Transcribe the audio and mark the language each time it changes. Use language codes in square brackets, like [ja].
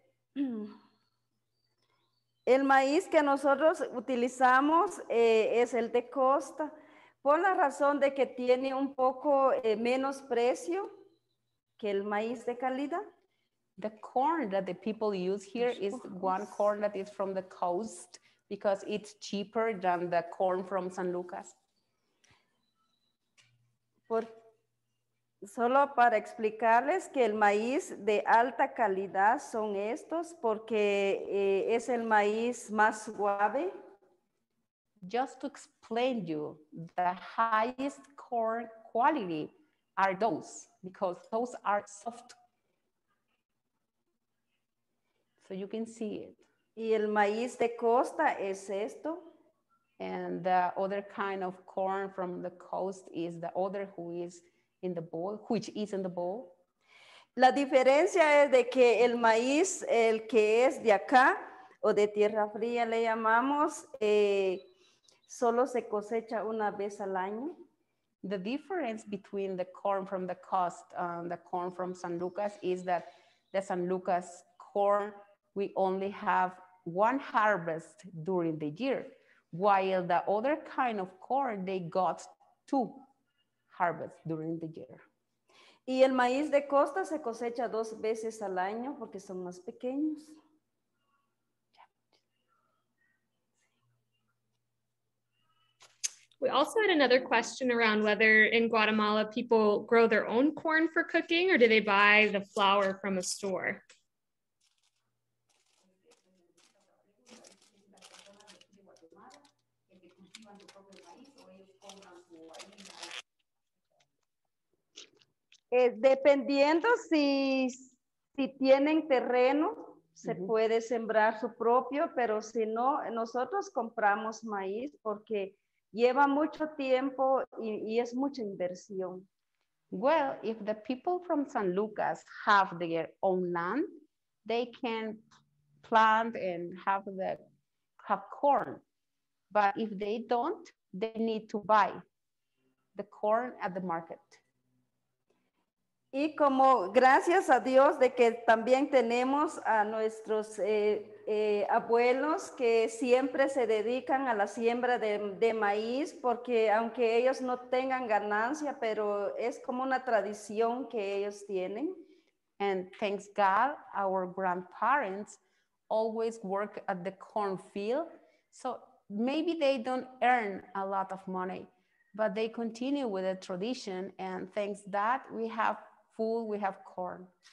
[es] El maíz que nosotros utilizamos es el de costa, por la razón de que tiene un poco menos precio que el maíz de calidad. [en] The corn that the people use here is one corn that is from the coast because it's cheaper than the corn from San Lucas. [es] Solo para explicarles que el maíz de alta calidad son estos porque es el maíz más suave. [en] Just to explain you, the highest corn quality are those because those are soft. So you can see it. [es] Y el maíz de costa es esto. [en] And the other kind of corn from the coast is the other who is in the bowl, which is in the bowl. [es] La diferencia es de que el maíz, el que es de acá, o de tierra fría le llamamos, solo se cosecha una vez al año. [en] The difference between the corn from the coast and the corn from San Lucas is that the San Lucas corn, we only have one harvest during the year, while the other kind of corn, they got two harvests during the year. [es] Y el maíz de costa se cosecha dos veces al año porque son más pequeños. [en] We also had another question around whether in Guatemala people grow their own corn for cooking or do they buy the flour from a store? [es] Dependiendo si tienen terreno, se uh-huh. puede sembrar su propio, pero si no, nosotros compramos maíz porque lleva mucho tiempo y es mucha inversión. [en] Well, if the people from San Lucas have their own land, they can plant and have corn. But if they don't, they need to buy the corn at the market. [es] Y como gracias a Dios de que también tenemos a nuestros abuelos que siempre se dedican a la siembra de maíz, porque aunque ellos no tengan ganancia, pero es como una tradición que ellos tienen. [en] And thanks God, our grandparents always work at the cornfield. So maybe they don't earn a lot of money, but they continue with the tradition. And thanks that we have food, we have corn.